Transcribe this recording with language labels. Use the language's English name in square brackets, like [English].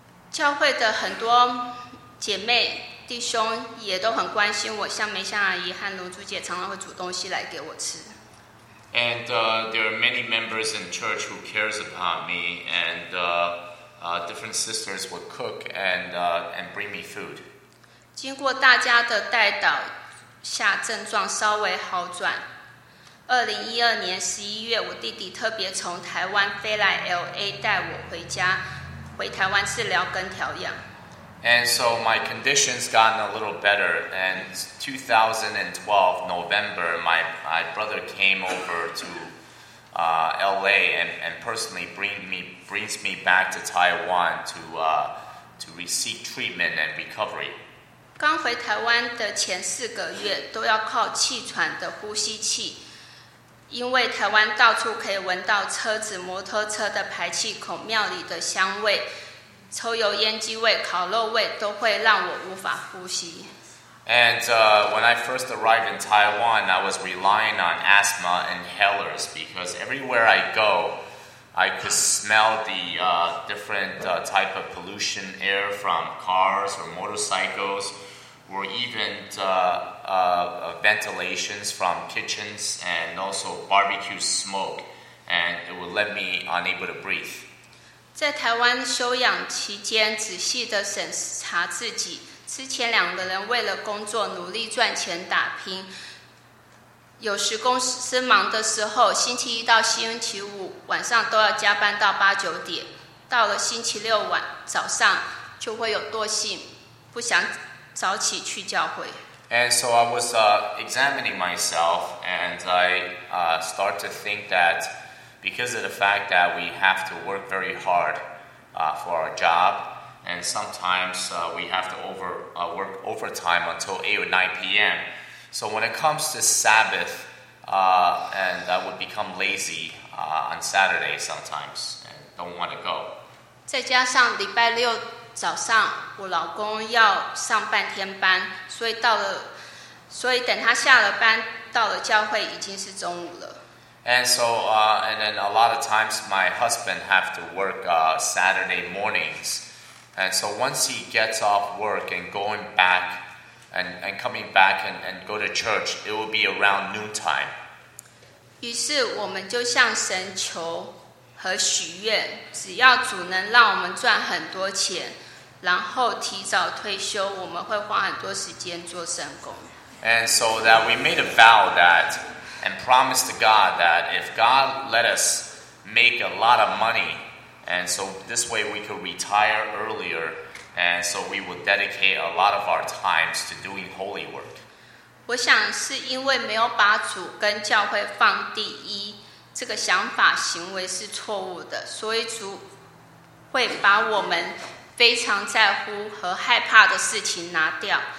[Chinese] 教会的很多姐妹弟兄也都很关心我，像梅香阿姨和龙珠姐常常会煮东西来给我吃。 [English] And there are many members in church who cares about me, and different sisters would cook and bring me food. [Chinese] 经过大家的代祷下，症状稍微好转。 2012年11月，我弟弟特别从台湾飞来 LA 带我回家，回台湾治疗跟调养。 [English] And so my condition's gotten a little better. And 2012, November, my brother came over to LA and personally brings me back to Taiwan to receive treatment and recovery. [Chinese] 刚回台湾的前四个月都要靠气喘的呼吸器，因为台湾到处可以闻到车子、摩托车的排气孔、庙里的香味。抽油烟机味、烤肉味都会让我无法呼吸。 [English] And when I first arrived in Taiwan, I was relying on asthma inhalers because everywhere I go, I could smell the different type of pollution air from cars or motorcycles, or even ventilations from kitchens and also barbecue smoke, and it would let me unable to breathe. [Chinese] 在台湾休养期间，仔细的审查自己。之前两个人为了工作努力赚钱打拼，有时公司忙的时候，星期一到星期五晚上都要加班到八九点。到了星期六晚早上，就会有惰性，不想早起去教会。 [English] And so I was examining myself, and I start to think that. Because of the fact that we have to work very hard for our job, and sometimes we have to work overtime until 8 or 9 p.m. So when it comes to Sabbath, and I would become lazy on Saturday sometimes and don't want to go. [Chinese] 再加上礼拜六早上我老公要上半天班，所以等他下了班到了教会已经是中午了。 [English] And so, and then a lot of times my husband have to work Saturday mornings. And so once he gets off work and going back and coming back and go to church, it will be around noontime. [Chinese] 于是我们就向神求和许愿，只要主能让我们赚很多钱，然后提早退休，我们会花很多时间做神工。 [English] And so that we made a vow that and promised God that if God let us make a lot of money, and so this way we could retire earlier, and so we would dedicate a lot of our times to doing holy work. [Chinese] 我想是因为没有把主跟教会放第一，这个想法行为是错误的，所以主会把我们非常在乎和害怕的事情拿掉。